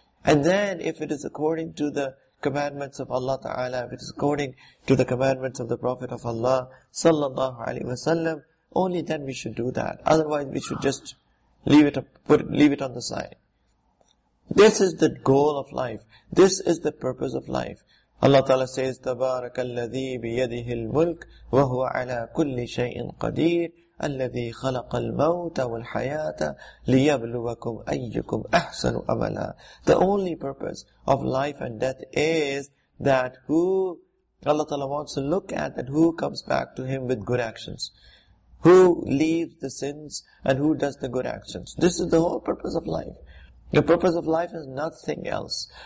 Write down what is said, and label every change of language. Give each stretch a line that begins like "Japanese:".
English: And then if it is according to the commandments of Allah Ta'ala, if it is according to the commandments of the Prophet of Allah sallallahu alaihi wasallam, only then we should do that. Otherwise we should just leave it on the side. This is the goal of life. This is the purpose of life. Allah Ta'ala says,
Arabic: تَبَارَكَ الَّذِي بِيَدِهِ الْمُلْكِ وَهُوَ عَلَىٰ كُلِّ شَيْءٍ قَدِيرٍ الَّذِي خَلَقَ الْمَوْتَ وَالْحَيَاةَ لِيَبْلُوَكُمْ أَيُّكُمْ أَحْسَنُ أَمَلًا.
English: The only purpose of life and death is that who Allah Ta'ala wants to look at, that who comes back to Him with good actions. Who leaves the sins and who does the good actions. This is the whole purpose of life. The purpose of life is nothing else.